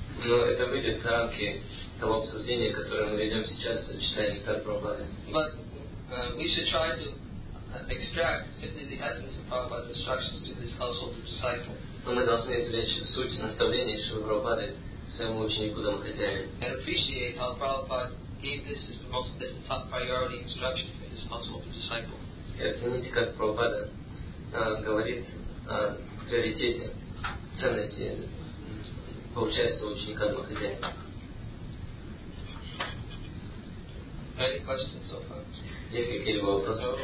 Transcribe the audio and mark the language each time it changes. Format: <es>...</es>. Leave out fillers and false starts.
<ru>Но это выйдет за рамки того обсуждения, которое мы ведем сейчас, читая Нектар Прабхупады.</ru> <en>But we should try to extract simply the essence of Prabhupada's instructions to this household disciple.</en> <ru>Но мы должны извлечь суть наставления Шрилы Прабхупады своему ученику домохозяину.</ru> <en>And appreciate how Prabhupada gave this as the most as the top priority instruction for his household disciple.</en> <ru>И оцените, как Прабхупада говорит о приоритете ценности получается ученика домохозяина.</ru> <en>Any questions so far?</en> <ru>Есть какие-либо вопросы?</ru>